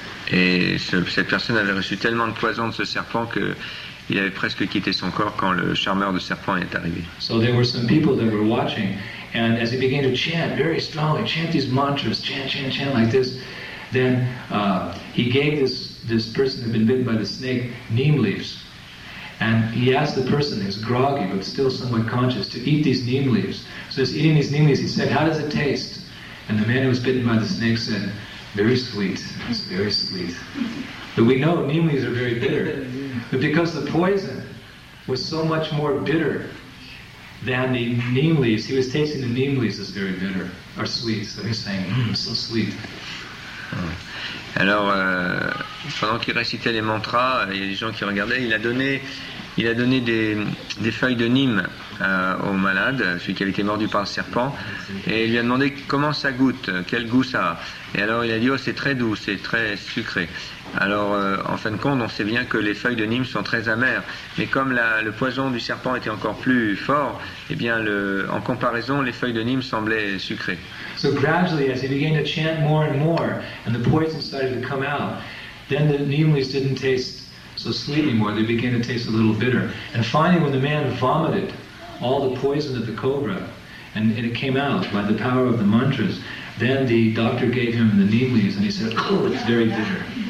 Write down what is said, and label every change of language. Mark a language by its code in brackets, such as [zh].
[fr] Et cette personne avait reçu tellement de poison de ce serpent que il avait presque quitté son corps quand le charmeur de serpent est arrivé. [en] So there were some people that were watching, and as he began to chant very strongly, chant these mantras, chant, chant, chant like this, then he gave this person who had been bitten by the snake neem leaves, and he asked the person who was groggy but still somewhat conscious to eat these neem leaves. So as eating these neem leaves, he said, "How does it taste?" And the man who was bitten by the snake said, "Very sweet. It's very sweet." But we know neem leaves are very bitter. But because the poison was so much more bitter than the neem leaves, he was tasting the neem leaves as very bitter, or sweet. So he's saying, so sweet. [fr] Alors, pendant qu'il récitait les mantras, il y a des gens qui regardaient, il a donné Il a donné des feuilles de nîmes au malade, celui qui avait été mordu par un serpent, et il lui a demandé comment ça goûte, quel goût ça a. Et alors il a dit, oh, c'est très doux, c'est très sucré. Alors, en fin de compte, on sait bien que les feuilles de nîmes sont très amères. Mais comme le poison du serpent était encore plus fort, eh bien, en comparaison, les feuilles de nîmes semblaient sucrées. [en] So gradually, as he began to chant more and more, and the poison started to come out, then the nimlis didn't taste so sweet anymore. They began to taste a little bitter. And finally, when the man vomited all the poison of the cobra, and it came out by the power of the mantras, then the doctor gave him the nimlis, and he said, oh, it's very bitter.